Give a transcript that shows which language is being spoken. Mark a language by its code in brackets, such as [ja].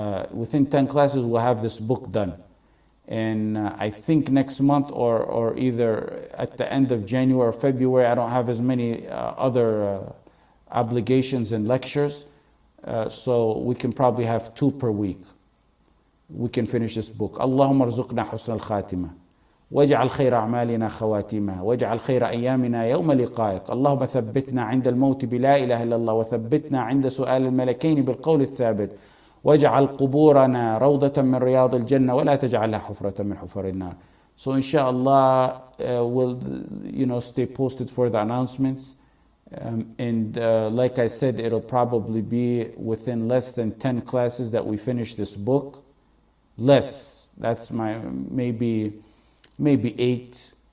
[en] Within 10 classes, we'll have this book done. And I think next month or either at the end of January or February, I don't have as many other obligations and lectures. So we can probably have 2 per week. We can finish this book. [ar] Allahumma arzuqna husna al-khatima. واجعل خير أعمالنا خواتيمها واجعل خير أيامنا يوم لقائك اللهم ثبتنا عند الموت بلا إله إلا الله وثبتنا عند سؤال الملكين بالقول الثابت واجعل قبورنا روضة من رياض الجنة ولا تجعلها حفرة من حفر النار. [en] So inshallah we'll stay posted for the announcements, and like I said, it'll probably be within less than 10 classes that we finish this book. Less, that's my maybe 8.